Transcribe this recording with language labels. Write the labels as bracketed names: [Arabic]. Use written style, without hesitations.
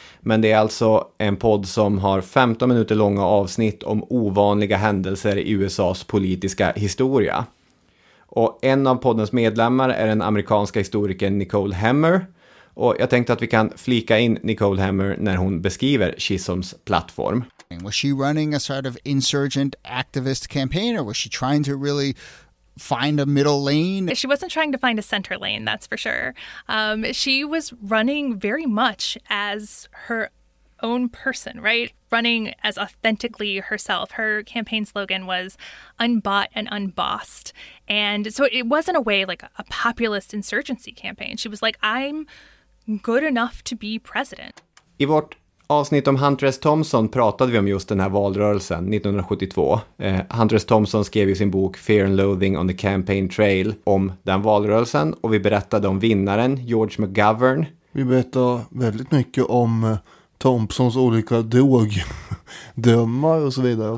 [Swedish] Men det är alltså en podd som har 15 minuter långa avsnitt om ovanliga händelser i USAs politiska historia. Och en av poddens medlemmar är den amerikanska historikern Nicole Hemmer. Och jag tänkte att vi kan flika in Nicole Hemmer när hon beskriver Chisholms plattform. [English] Was she running a sort of insurgent activist campaign, or was she trying to really find a middle lane. She wasn't trying to find a center lane, that's for sure. She was running very much as her own person, right? Running as authentically herself. Her campaign slogan was unbought and unbossed. And so it wasn't a way like a populist insurgency campaign. She was like, I'm good enough to be president. [Swedish] I vårt avsnitt om Hunter S. Thompson pratade vi om just den här valrörelsen 1972. Hunter S. Thompson skrev ju sin bok Fear and Loathing on the Campaign Trail om den valrörelsen, och vi berättade om vinnaren George McGovern. Vi berättade väldigt mycket om Thompsons olika drogdrömmar och så vidare.